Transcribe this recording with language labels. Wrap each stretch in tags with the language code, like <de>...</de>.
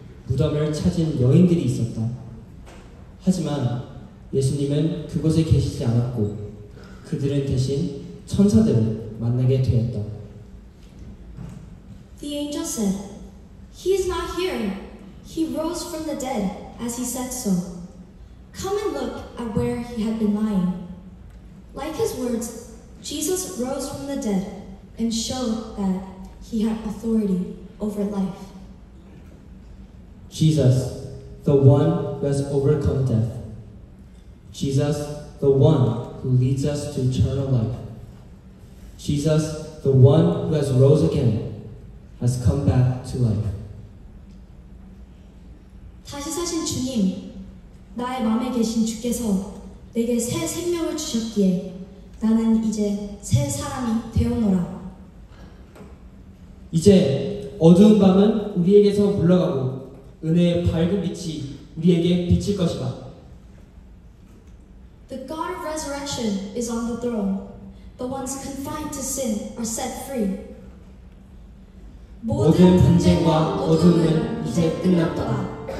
<ko>무덤을 찾은 여인들이 있었다. 하지만 예수님은 그곳에 계시지 않았고 그들은 대신 천사들을 만나게 되었다.</ko> <en>The angel said, He is not here. He rose from the dead as he said so. Come and look at where he had been lying. Like his words, Jesus rose from the dead and showed that he had authority over life. Jesus, the one who has overcome death. Jesus, the one who leads us to eternal life. Jesus, the one who has rose again, has come back to life.</en> <ko>다시 사신 주님, 나의 마음에 계신 주께서 내게 새 생명을 주셨기에 나는 이제 새 사람이 되었노라. 이제 어두운 밤은 우리에게서 물러가고 은혜의 밝은 빛이 우리에게 비칠 것이다.</ko> <en>The God of resurrection is on the throne. The ones confined to sin are set free.</en> <ko>모든 분쟁과 어둠은 이제 끝났다.</ko>